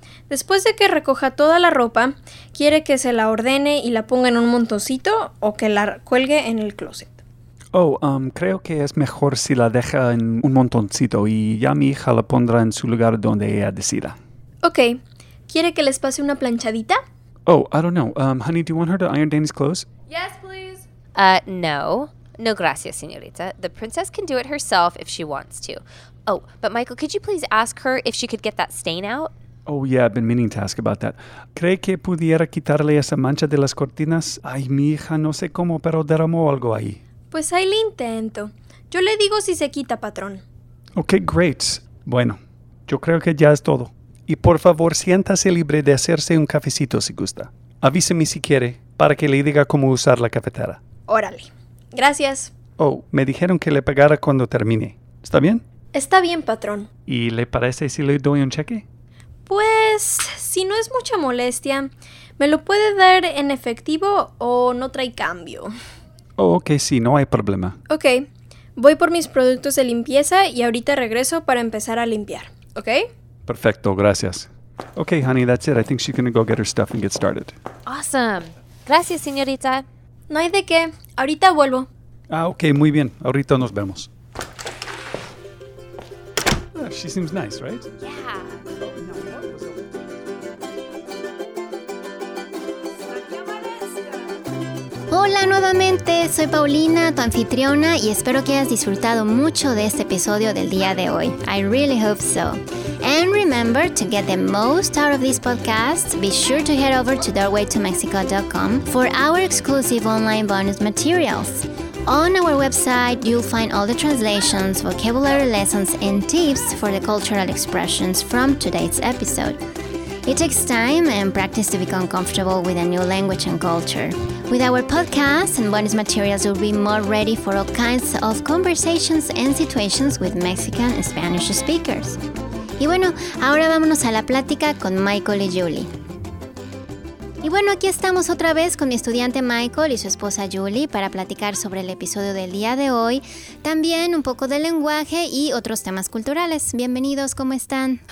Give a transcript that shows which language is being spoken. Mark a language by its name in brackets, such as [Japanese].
[Spanish] Después de que recoja toda la ropa, ¿quiere que se la ordene y la ponga en un montoncito o que la cuelgue en el closet? Creo que es mejor si la deja en un montoncito y ya mi hija la pondrá en su lugar donde ella decida. Ok. ¿Quiere que les pase una planchadita? [English] I don't know. Honey, do you want her to iron Danny's clothes? Yes, please. [Spanish] No. No gracias, señorita. [English] The princess can do it herself if she wants to. Oh, but Michael, could you please ask her if she could get that stain out? Oh, yeah, I've been meaning to ask about that. [Spanish] ¿Cree que pudiera quitarle esa mancha de las cortinas? Ay, mi hija, no sé cómo, pero derramó algo ahí. Pues ahí le intento. Yo le digo si se quita, patrón. [English] Ok, great. [Spanish] Bueno, yo creo que ya es todo. Y por favor, siéntase libre de hacerse un cafecito si gusta. Avíseme si quiere, para que le diga cómo usar la cafetera. Órale. Gracias. Oh, me dijeron que le pagara cuando termine. ¿Está bien? Está bien, patrón. ¿Y le parece si le doy un cheque? Pues, si no es mucha molestia, me lo puede dar en efectivo o no trae cambio. Oh, ok, sí, no hay problema. Ok, voy por mis productos de limpieza y ahorita regreso para empezar a limpiar, ¿ok? Perfecto, gracias. [English] Ok, honey, that's it. I think she's gonna go get her stuff and get started. Awesome. [Spanish] Gracias, señorita. No hay de qué. Ahorita vuelvo. Ah, ok, muy bien. Ahorita nos vemos. [English] Oh, she seems nice, right? Yeah. [Spanish] Hola nuevamente, soy Paulina, tu anfitriona, y espero que hayas disfrutado mucho de este episodio del día de hoy. [English] I really hope so. And remember, to get the most out of this podcast, be sure to head over to doorwaytomexico.com for our exclusive online bonus materials. On our website, you'll find all the translations, vocabulary lessons, and tips for the cultural expressions from today's episode. It takes time and practice to become comfortable with a new language and culture. With our podcast and bonus materials, you'll be more ready for all kinds of conversations and situations with Mexican and Spanish speakers. [Spanish] Y bueno, ahora vámonos a la plática con Michael y Julie. Y bueno, aquí estamos otra vez con mi estudiante Michael y su esposa Julie para platicar sobre el episodio del día de hoy, también un poco del lenguaje y otros temas culturales. Bienvenidos, ¿cómo están?